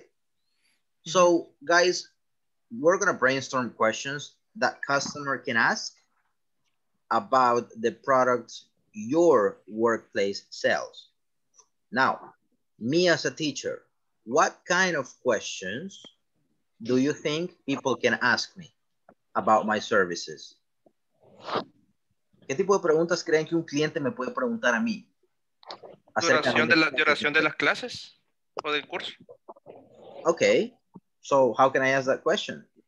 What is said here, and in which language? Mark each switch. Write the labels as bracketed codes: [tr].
[en] Mm-hmm. So, guys, we're going to brainstorm questions that customer can ask about the products your workplace sells. Now, me as a teacher, what kind of questions do you think people can ask me about my services? [es] ¿Qué tipo de preguntas creen que un cliente me puede preguntar a mí? ¿Duración de las clases o del curso? [en] Okay, so how can I ask that question?